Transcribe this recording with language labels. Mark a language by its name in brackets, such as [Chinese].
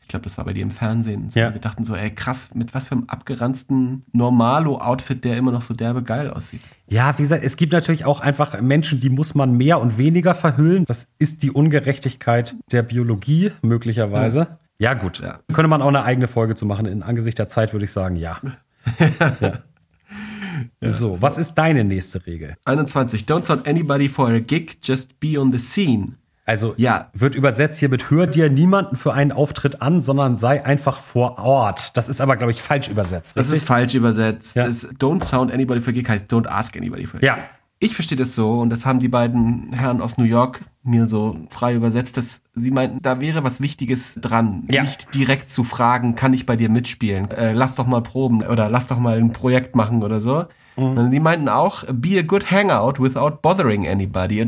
[German] Ich glaube, das war bei dir im Fernsehen. So, ja. Wir dachten so, ey, krass, mit was für einem abgeranzten Normalo-Outfit, der immer noch so derbe geil aussieht. Ja, wie gesagt, es gibt natürlich auch einfach Menschen, die muss man mehr und weniger verhüllen. Das ist die Ungerechtigkeit der Biologie möglicherweise. Hm. Ja gut, ja. Könnte man auch eine eigene Folge zu machen. In Angesicht der Zeit würde ich sagen, ja. So, was ist deine nächste Regel? [English] 21, don't sound anybody for a gig, just be on the scene. [German] Also ja, wird übersetzt hier mit, hör dir niemanden für einen Auftritt an, sondern sei einfach vor Ort. Das ist aber, glaube ich, falsch übersetzt. Richtig? Das ist falsch übersetzt. Ja. Das [English] don't sound anybody for a gig [German] heißt, [English] don't ask anybody for a gig. [German] Ja. Ich verstehe das so, und das haben die beiden Herren aus New York mir so frei übersetzt, dass sie meinten, da wäre was Wichtiges dran, ja, nicht direkt zu fragen, kann ich bei dir mitspielen, lass doch mal proben oder lass doch mal ein Projekt machen oder so. Mhm. Die meinten auch, [English] be a good hangout without bothering anybody.